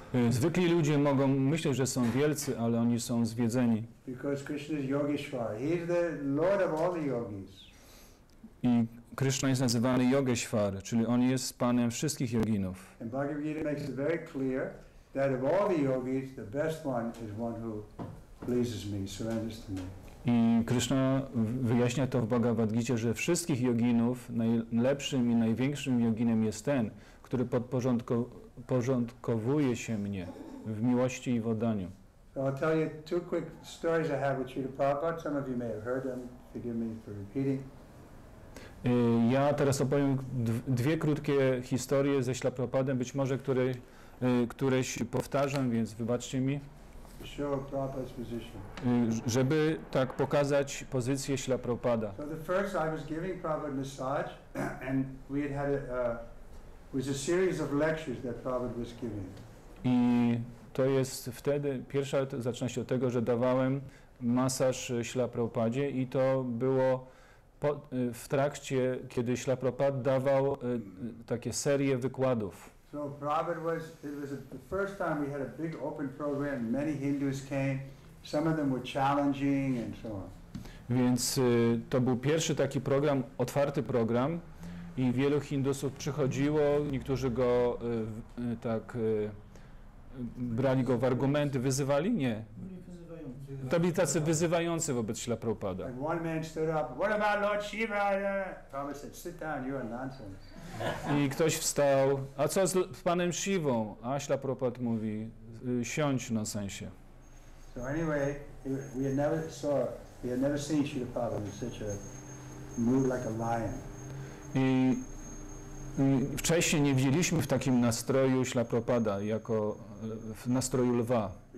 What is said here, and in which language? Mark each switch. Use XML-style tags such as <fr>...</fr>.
<pl>Zwykli ludzie mogą myśleć, że są wielcy, ale oni są zwiedzeni.</pl> <en>Because Krishna is Yogeshwar. He is the Lord of all the yogis.</en> <pl>I Krishna jest nazywany Yogeshwar, czyli on jest panem wszystkich joginów.</pl> <en>And Bhagavad Gita makes it very clear that of all the yogis, the best one is one who pleases me, surrenders to me.</en> <pl>I Krishna wyjaśnia to w Bhagavad Gita, że wszystkich joginów najlepszym i największym joginem jest ten, który podporządkowuje się mnie w miłości i w oddaniu.</pl> <en>So I'll tell you two quick stories I have with Srila Prabhupada. Some of you may have heard them. Forgive me for repeating.</en> <pl>Ja teraz opowiem dwie krótkie historie ze Śla Prabhupadem, być może któreś powtarzam, więc wybaczcie mi.</pl> <en>Show Prabhupada's position.</en> <pl>Żeby tak pokazać pozycję Śla Prabhupada.</pl> <en>So the first I was giving Prabhupada massage and we had had was a series of lectures that Prabhupada was giving.</en> <pl>I to jest wtedy, pierwsza zaczyna się od tego, że dawałem masaż Śla Prabhupadzie i to było w trakcie, kiedy Śla Prabhupada dawał takie serie wykładów.</pl> <en>So Prabhupada was, it was the first time we had a big open program, many Hindus came, some of them were challenging and so on.</en> <pl>Więc to był pierwszy taki program, otwarty program i wielu Hindusów przychodziło, niektórzy go tak brali go w argumenty, wyzywali? Nie. To byli tacy wyzywający wobec Śla Prabhupada.</pl> <en>And one man stood up, what about Lord Shiva? Prabhupada said, sit down, you are nonsense.</en> <pl>I ktoś wstał, a co z panem Shivą? A Śla Prabhupada mówi, siądź na sensie.</pl> <en>So anyway, we had never saw, we had never seen Śla Prabhupada in such a mood like a lion.</en> <pl>I wcześniej nie widzieliśmy w takim nastroju Śla Prabhupada, jako w nastroju lwa.</pl>